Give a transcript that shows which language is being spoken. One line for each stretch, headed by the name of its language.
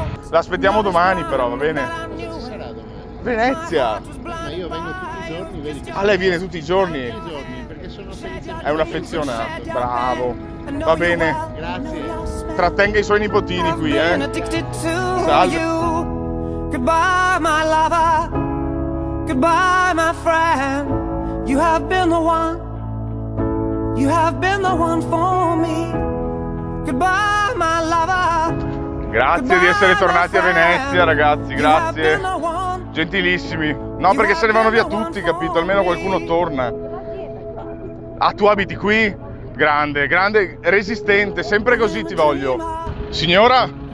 Italian: L'aspettiamo domani però, va bene? Chi ci sarà domani? Venezia! Ma io vengo tutti i giorni, vedi che... Ah, lei viene tutti i giorni? Tutti i giorni, perché sono affezionato. È un affezionato, bravo, va bene. Grazie. Trattenga i suoi nipotini qui, eh. Salve.
English: Goodbye my lover, goodbye my friend, you have been the one. You have been the one for me. Goodbye, my lover.
Italian: Grazie di essere tornati a Venezia, ragazzi, grazie. Gentilissimi. No, perché se ne vanno via tutti, capito? Almeno qualcuno torna. Ah, tu abiti qui? Grande, grande, resistente, sempre così ti voglio. Signora?